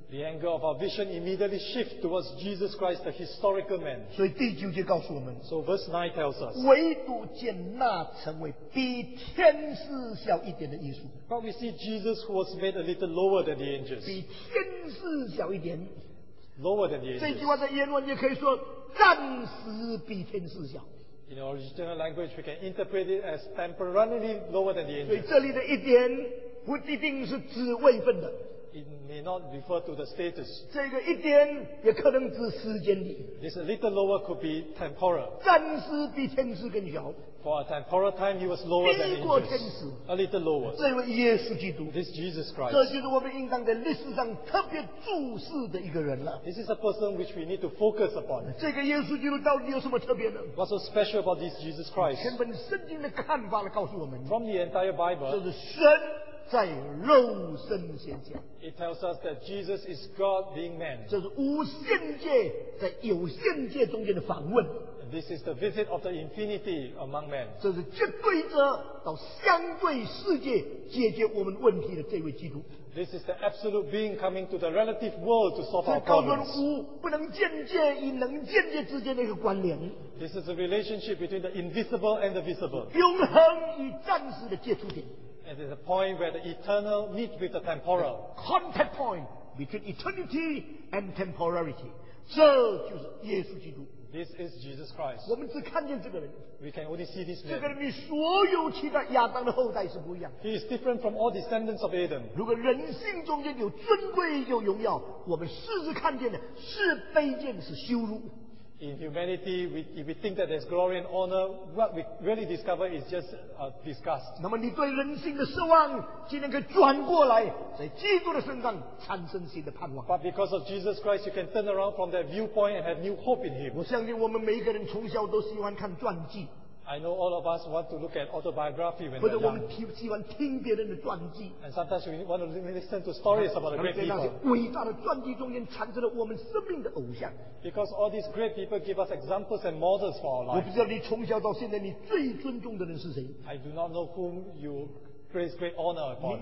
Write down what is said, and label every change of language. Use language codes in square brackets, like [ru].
[en] The anger of our vision immediately shifts towards Jesus Christ, the historical man. [zh] 所以第九节告诉我们, [en] so verse 9 tells us, [zh] 唯独见那成为比天使小一点的耶稣。 [en] But we see Jesus who was made a little lower than the angels. [zh] 比天使小一点。 [en] Lower than the angels. [zh] 这句话在原文也可以说, 暂时比天使小。 [en] In our original language, we can interpret it as temporarily lower than the angels. [zh] 所以这里的一点, 不一定是指位分的。 [en] It may not refer to the status. [zh] 这个一点也可能指时间里。 [en] This a little lower could be temporal. [zh] 暂时比天使更小。 [en] For a temporal time, he was lower than angels. A little lower. [zh] 这位耶稣基督, [en] this Jesus Christ. [zh] 这就是我们应当在历史上特别注视的一个人了。 [en] This is a person which we need to focus upon. [zh] 这个耶稣基督到底有什么特别的? [en] What's so special about this Jesus Christ? [zh] 全本圣经的看法来告诉我们, [en] from the entire Bible, [zh] 就是神, 在肉身显现。 [en] It tells us that Jesus is God being man. [zh] 这是无限界在有限界中间的访问。 [en] This is the visit of the infinity among men. [zh] 这是绝对者到相对世界解决我们问题的这位基督。 [en] This is the absolute being coming to the relative world to solve our problems. [zh] 不能间接与能间接之间的一个关联。 [en] This is the relationship between the invisible and the visible. [zh] 永恒与暂时的接触点。 [en] It is a point where the eternal meets with the temporal. The contact point between eternity and temporality. [zh] 这就是耶稣基督。 [en] This is Jesus Christ. [zh] 我们只看见这个人。 [en] We can only see this man. [zh] 这个人与所有其他亚当的后代是不一样。 [en] He is different from all descendants of Adam. [zh] 如果人性中间有尊贵有荣耀, 我们试试看见的是卑贱是羞辱。 [en] In humanity, if we think that there's glory and honor, what we really discover is just disgust. [zh] 那么你对人性的失望，今天可以转过来，在基督的身上产生新的盼望。 [en] But because of Jesus Christ, you can turn around from that viewpoint and have new hope in Him. [zh] 我相信我们每一个人从小都喜欢看传记。 [en] I know all of us want to look at autobiography when we're young. [zh] 或者我们喜欢听别人的传记。 [en] And sometimes we want to listen to stories about the great people. [zh] 在那些伟大的传记中间产生了我们生命的偶像。 [en] Because all these great people give us examples and models for our life. [zh] 我不知道你从小到现在你最尊重的人是谁。 [en] I do not know whom you praise great honor upon.